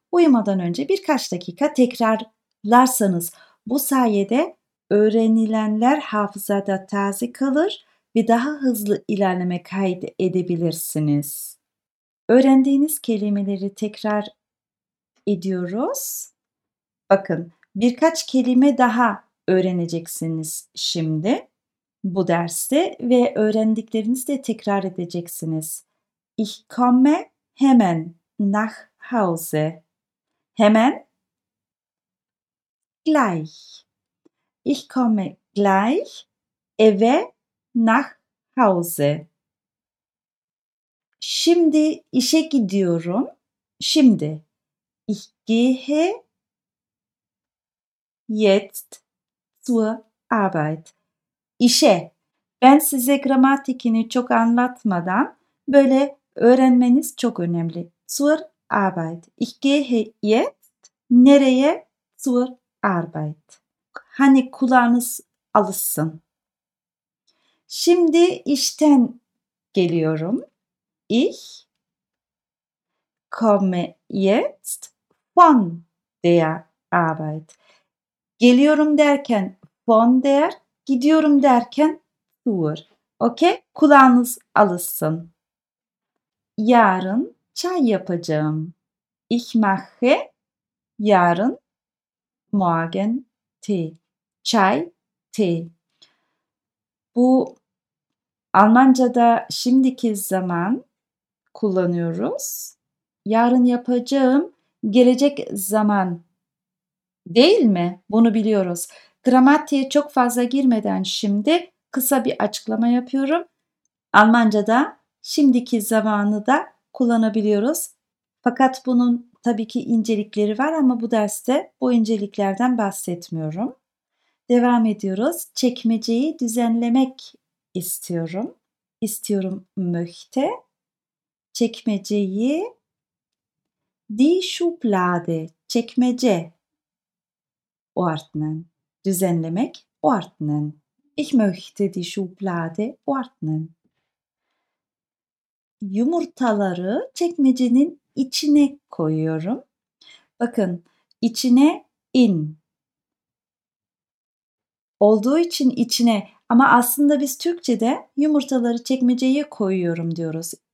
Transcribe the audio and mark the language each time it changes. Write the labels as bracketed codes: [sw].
[tr] Uyumadan önce birkaç dakika tekrarlarsanız bu sayede öğrenilenler hafızada taze kalır ve daha hızlı ilerleme kaydedebilirsiniz. Öğrendiğiniz kelimeleri tekrar ediyoruz. Bakın, birkaç kelime daha öğreneceksiniz şimdi bu derste ve öğrendiklerinizi de tekrar edeceksiniz. [de] Ich komme [tr] hemen [de] nach Hause. [tr] Hemen. [de] Gleich. Ich komme gleich [tr] eve [de] nach Hause. [tr] Şimdi işe gidiyorum. Şimdi. [de] Ich gehe jetzt zur Arbeit. [tr] İşe. Ben size gramatikini çok anlatmadan böyle öğrenmeniz çok önemli. [de] Zur Arbeit. Ich gehe jetzt [tr] nereye? [de] Zur Arbeit. [tr] Hani kulağınız alışsın. Şimdi işten geliyorum. [de] Ich komme jetzt von der Arbeit. [tr] Geliyorum derken von der, gidiyorum derken zur. Okay? Kulağınız alışsın. Yarın çay yapacağım. [de] Ich mache [tr] yarın [de] morgen tee. [tr] Çay, tee. Bu Almanca'da şimdiki zaman kullanıyoruz. Yarın yapacağım gelecek zaman değil mi? Bunu biliyoruz. Gramatiğe çok fazla girmeden şimdi kısa bir açıklama yapıyorum. Almanca'da şimdiki zamanı da kullanabiliyoruz. Fakat bunun tabii ki incelikleri var ama bu derste bu inceliklerden bahsetmiyorum. Devam ediyoruz. Çekmeceyi düzenlemek istiyorum. İstiyorum möchte. Çekmeceyi die Schublade, çekmece ordnen. Düzenlemek ordnen. [de] Ich möchte die Schublade ordnen. [tr] Yumurtaları çekmecenin içine koyuyorum. Bakın, içine in. Olduğu için içine ama aslında biz Türkçe'de yumurtaları çekmeceye koyuyorum diyoruz.